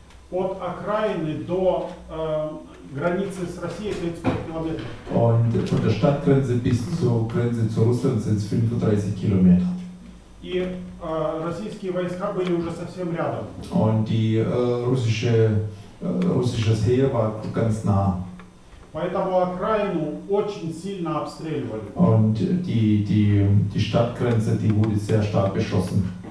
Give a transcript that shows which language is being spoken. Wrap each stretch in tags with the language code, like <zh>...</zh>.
<ru>От окраины до границы с Россией 35 километров.</ru> <de>Und von der Stadtgrenze bis zur Grenze zu Russland sind es 35 Kilometer.</de> <ru>И российские войска были уже совсем рядом.</ru> <de>Und die russisches Heer war ganz nah.</de> <ru>Поэтому окраину очень сильно обстреливали.</ru> <de>Und die Stadtgrenze, die wurde sehr stark beschossen.</de>